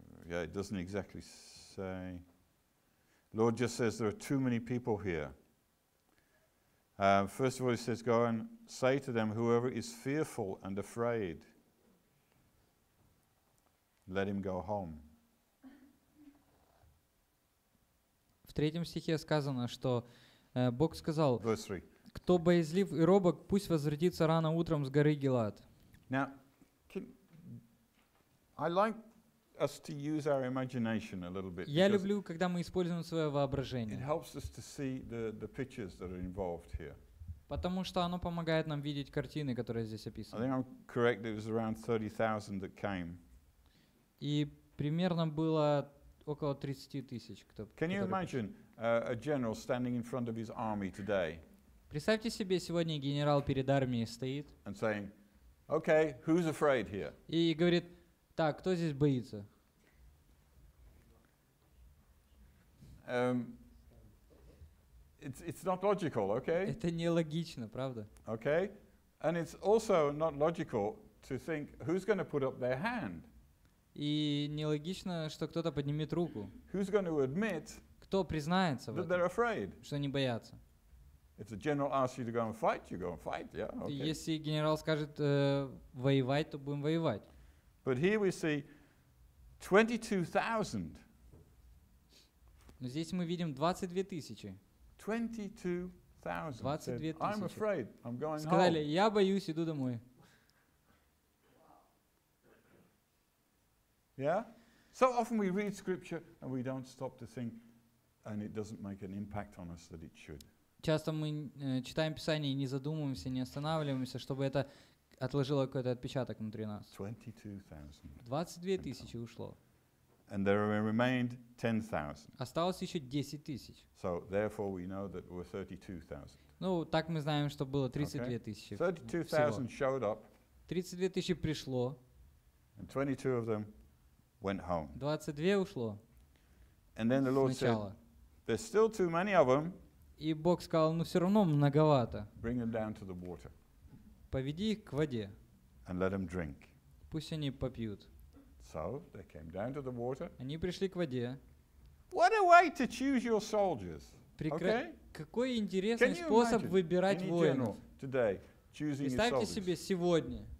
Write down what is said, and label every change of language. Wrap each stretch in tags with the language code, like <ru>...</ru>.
<en>Yeah, it doesn't exactly say. Lord just says there are too many people here. First of all, he says, go and say to them, whoever is fearful and afraid, let him go home.</en> <ru>В третьем стихе сказано, что Бог сказал,</ru> <en>Verse 3.</en> <ru>Кто боязлив и робок, пусть возвратится рано утром с горы Гилад.</ru> <en>Now, I like us to use our imagination a little bit.</en> <ru>Я люблю, когда мы используем свое воображение.</ru> <en>It helps us to see the pictures that are involved here.</en> <ru>Потому что оно помогает нам видеть картины, которые здесь описаны.</ru> <en>I think I'm correct. It was around 30,000 that came.</en> <ru>И примерно было около 30,000, кто.</ru> <en>Can you imagine a general standing in front of his army today?</en> <ru>Представьте себе, сегодня генерал перед армией стоит.</ru> <en>And saying, Okay, who's afraid here?</en> <ru>И говорит, так, кто здесь боится?</ru> <en>It's not logical, okay?</en> <ru>Это нелогично, правда?</ru> <en>Okay, and it's also not logical to think who's going to put up their hand.</en> <ru>И нелогично, что кто-то поднимет руку.</ru> <en>Who's going to admit?</en> <ru>Кто признается в этом,</ru> <en>afraid?</en> <ru>Что они боятся?</ru> <en>If the general asks you to go and fight, you go and fight, yeah. Okay.</en> <ru>Если генерал скажет воевать, то будем воевать.</ru> <en>But here we see 22,000.</en> <ru>Но здесь мы видим 22,000.</ru> <en>22,000. I'm afraid. I'm going home.</en> <ru>Сказали, я боюсь, иду домой.</ru> <en>Yeah. So often we read scripture and we don't stop to think, and it doesn't make an impact on us that it should.</en> <ru>Часто мы читаем Писание и не задумываемся, не останавливаемся, чтобы это отложило какой-то отпечаток внутри нас. 22,000 ушло.</ru> <en>And there remained 10,000.</en> <ru>Осталось еще 10,000.</ru> <en>So therefore we know that were 32,000.</en> <ru>Ну, так мы знаем, что было 32,000.</ru> <en>32,000 showed up.</en> <ru>32,000 пришло.</ru> <en>And 22 of them went home.</en> <ru>22 ушло.</ru> <en>And then the Lord</en> <ru>сначала</ru> <en>said, there's still too many of them.</en> <ru>И Бог сказал, ну все равно многовато.</ru> <en>Bring them down to the water.</en> <ru>Поведи их к воде.</ru> <en>And let them drink.</en> <ru>Пусть они попьют.</ru> <en>So they came down to the water.</en> <ru>Они пришли к воде.</ru> <en>What a way to choose your soldiers. Okay?</en> <ru>Какой интересный способ выбирать воинов.</ru> <en>Today,</en> <ru>представьте себе сегодня.</ru>